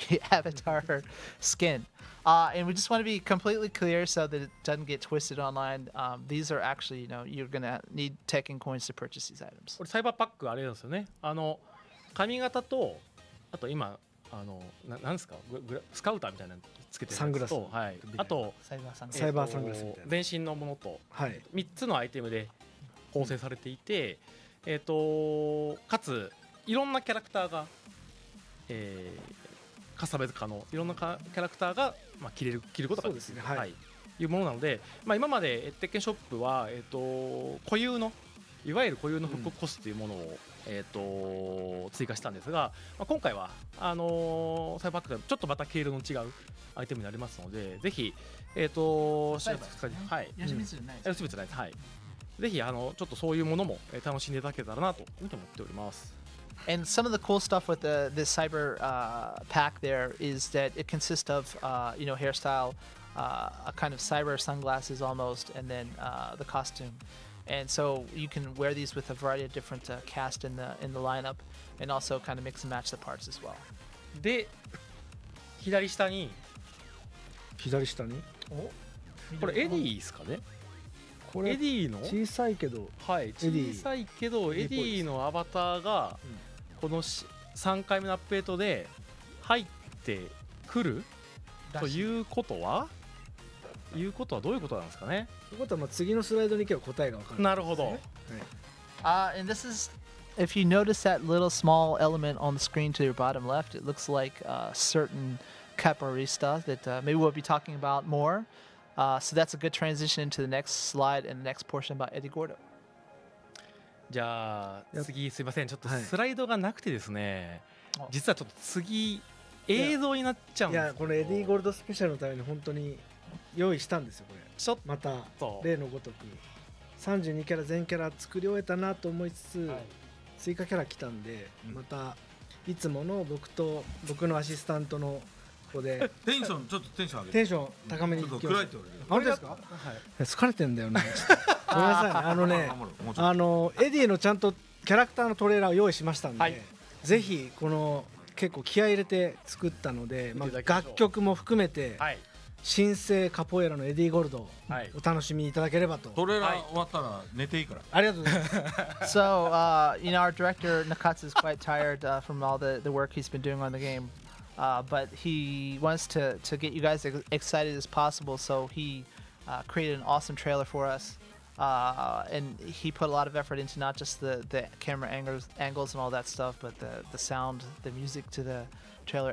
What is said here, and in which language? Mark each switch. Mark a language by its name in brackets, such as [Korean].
[English] avatar skin. And we just want to be completely clear so that it doesn't get twisted online. These are actually, you know, you're going to need Tekken coins to purchase these items. [Japanese] これ Cyber Pack あれですよね。あの、髪型と、あと今、あの、なんですか、スカウターみたいなのつけてるサングラスと、はい、あとサイバーサングラスみたいな全身のものと、はい、 3つのアイテムで構成されていて、うん、かついろんなキャラクターが、カスタマイズ可能、いろんなキャラクターが、まあ、着ることができる、はい、はい、いうものなので、まあ、今まで鉄拳ショップは、固有のいわゆる固有の復刻コスというものを、うん、追加したんですが、まあ、今回はサイバーパックでちょっとまた毛色の違うアイテムになりますので、ぜひ 4月2日に、はい、吉光じゃないです、吉光じゃないです、はい、ぜひあのちょっとそういうものも楽しんでいただけたらなと思っております。 [English] And some of the cool stuff with the cyber pack there is that it consists of you know, hairstyle, a kind of cyber sunglasses almost, and then the costumeAnd so you can wear these with a variety of different cast in the lineup, and also kind of mix and match the parts as well. [Japanese] で、左下に。お、これエディですかね。これエディの小さいけど。はい。小さいけどエディのアバターがこの3回目のアップデートで入ってくるということは。いうことはどういうことなんですかね。そういうことはまあ次のスライドに行けば答えが分かる、ね。なるほど。はい。 [English] And this is, if you notice that little small element on the screen to your bottom left, it looks like a certain capoeirista that maybe we'll be talking about more. So that's a good transition into the next slide and the next portion about Eddie Gordo. [Japanese] じゃあ次、すいません、ちょっとスライドがなくてですね。はい、実はちょっと次映像になっちゃうんですけど。いや、このエディゴールドスペシャルのために本当に。用意したんですよ、これちょっとまた例のごとく32キャラ全キャラ作り終えたなと思いつつ、はい、追加キャラ来たんで、うん、またいつもの僕のアシスタントのここでテンションちょっとテンション上げてテンション高めにちょっと暗いって言われてる、あれですか、はい、疲れてんだよねごめんなさい、ね、あのねエディのちゃんとキャラクターのトレーラーを用意しましたんで、はい、ぜひこの結構気合い入れて作ったので、まあ、楽曲も含めて、はい、新生カポエラのエディゴルドをお楽しみいただければと。トレーラー終わったら寝ていいから。ありがとうございます。 [English] So, you know, our director Nakatsu is quite tired from all the work he's been doing on the game, but he wants to get you guys excited as possible. So he created an awesome trailer for us, and he put a lot of effort into not just the camera angles and all that stuff, but the sound, the music to the trailer.